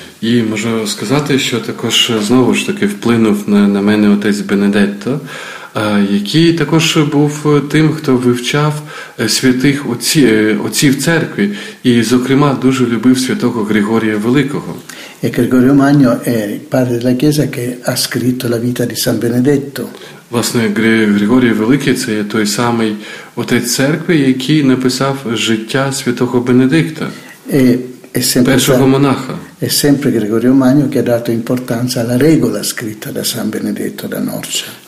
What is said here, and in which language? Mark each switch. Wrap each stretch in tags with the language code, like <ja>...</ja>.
<uk>І можу сказати, що також знову ж таки вплинув на мене отець Бенедетто, який також був тим, хто вивчав святих отців церкви і, зокрема, дуже любив святого Григорія Великого.</uk> <it>E Gregorio Magno è il padre della Chiesa che ha scritto la vita di San Benedetto.</it> <uk>Власне, Григорій Великий – це є той самий отець церкви, який написав життя святого Бенедикта, першого монаха.</uk> <it>È sempre Gregorio Magno che ha dato importanza alla regola scritta da San Benedetto da Norcia.</it>